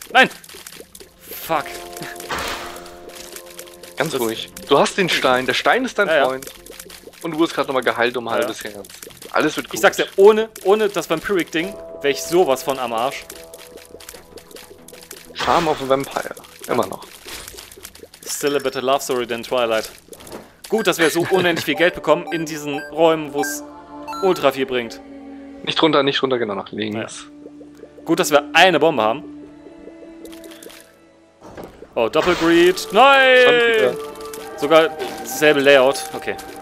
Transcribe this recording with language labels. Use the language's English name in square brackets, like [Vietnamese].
[German] Nein! Fuck. Ganz ruhig. Du hast den Stein. Der Stein ist dein Freund. Ja. Und du wirst gerade nochmal geheilt um halbes Herz. Alles wird gut. Ich sag's dir, ohne das Vampiric-Ding wäre ich sowas von am Arsch. Charm of a Vampire. Immer noch. [English] Still a better love story than Twilight. [German] Gut, dass wir so unendlich viel Geld bekommen in diesen Räumen, wo es ultra viel bringt. Nicht runter, genau nach links. Ja. Gut, dass wir eine Bombe haben. Oh, Doppelgreed. Nein! Sogar dasselbe Layout. Okay.